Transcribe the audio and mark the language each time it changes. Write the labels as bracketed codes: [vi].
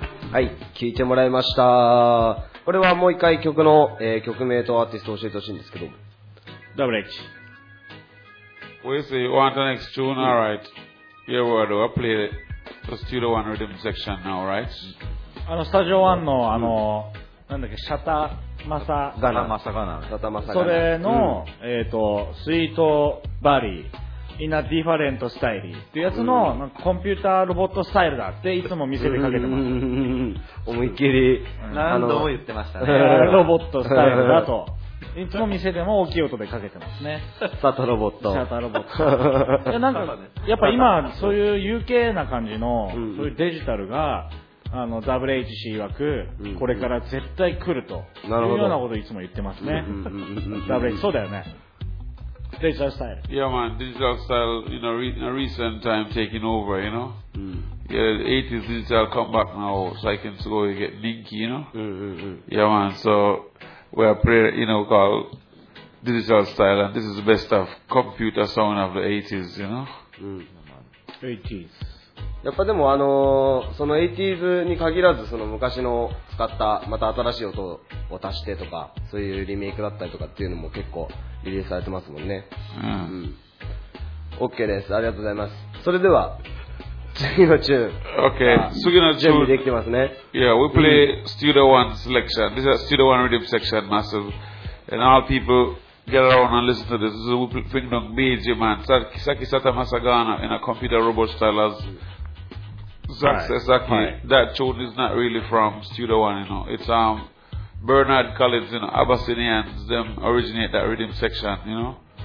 [ja] はい、聞いてもらいました。これはもう一回曲の、曲名とアーティストを教えてほしいんですけど。 WH [en] We say you want the next tune, alright. Here we are, we'll play the Studio One Rhythm Section now, right? [ja] あのスタジオ1の、あの、なんだっけ、シャタマサガナ、マサガナ、シャタマサガナ、それの、うん、スイートバリー [en] In a different style [ja] っていうやつの、うん、コンピューターロボットスタイルだっていつも見せてかけてます。思いっきり、うん、何度も言ってましたね。ロボットスタイルだと。いつも店でも大きい音でかけてますね。サタロボット。サタロボット。いやなんか、やっぱ今、そういう UK な感じの、そういうデジタルが、あの WHC 曰く、これから絶対来ると。なるほど。いうようなこといつも言ってますね。 WHC、そうだよね。 [en] Digital style. Yeah, man. Digital style, you know, in a recent time taking over, you know.、 Mm. Yeah, the 80s digital come back now, so I can go and get Dinky, you know.、 Mm-hmm. Yeah, man. So, we are playing, you know, called digital style, and this is the best of computer sound of the 80s, you know.、 Mm. 80s. [ja] やっぱでも、その 80s に限らず、その昔の使った、また新しい音を足してとか、そういうリメイクだったりとかっていうのも結構、リリースされてますもんね。うん。 OK、うん、です。ありがとうございます。それでは次のチューン。 OK。 次のチューン準備できてますね。 [en] Yeah, we play、うん、Studio One Selection. This is a Studio One Rhythm Section, massive. And all people get around and listen to this. This is a Whipple Fing Dong Beige, man. Saki Sata Masagana in a computer robot style as Zach says. Saki, that tune is not really from Studio One, you know. It's Bernard Collins, you know, Abyssinians, them originate that rhythm section, you know.